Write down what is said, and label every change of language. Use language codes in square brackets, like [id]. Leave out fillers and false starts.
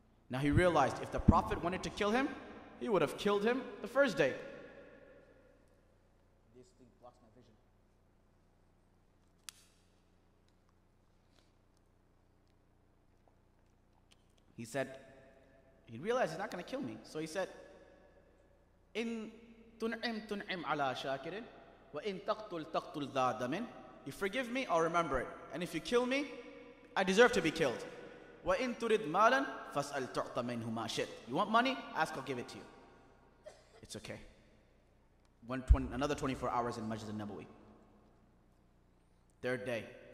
[en] Now he realized if the Prophet wanted to kill him, he would have killed him the first day. This thing blocks my vision. He said, he realized he's not going to kill me. [ar] So he said, إِن تُنْعِمْ تُنْعِمْ عَلَىٰ شَاكِرٍ وَإِن تَقْتُلْ تَقْتُلْ ذَا دَمٍ. [en] You forgive me, I'll remember it. And if you kill me, I deserve to be killed. [ar] وَإِن تُرِدْ مَالًا فَاسْأَلْ تُعْطَ مِنْهُ مَا شِئْتَ. [en] You want money? Ask, I'll give it to you. It's okay. Another 24 hours in Masjid al-Nabawi. Third day.